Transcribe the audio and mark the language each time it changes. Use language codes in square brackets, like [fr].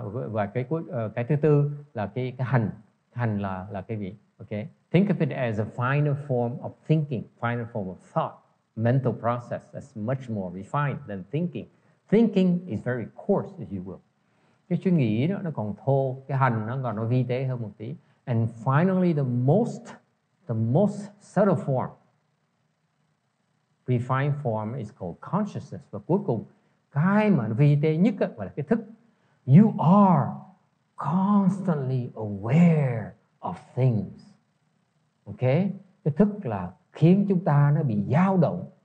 [vi] Và cái thứ tư là cái hành là cái gì? [en] Okay, think of it as a finer form of thinking, finer form of thought. Mental process that's much more refined than thinking. Thinking is very coarse, if you will. [vi] Cái suy nghĩ đó nó còn thô, cái hành nó còn vi tế hơn một tí. [en] And finally, the most subtle form, refined form, is called consciousness. [vi] Và cuối cùng, cái mà nó vi tế nhất đó, gọi là cái thức. [en] You are constantly aware of things. Okay? [vi] Cái thức là khiến chúng ta nó bị dao động.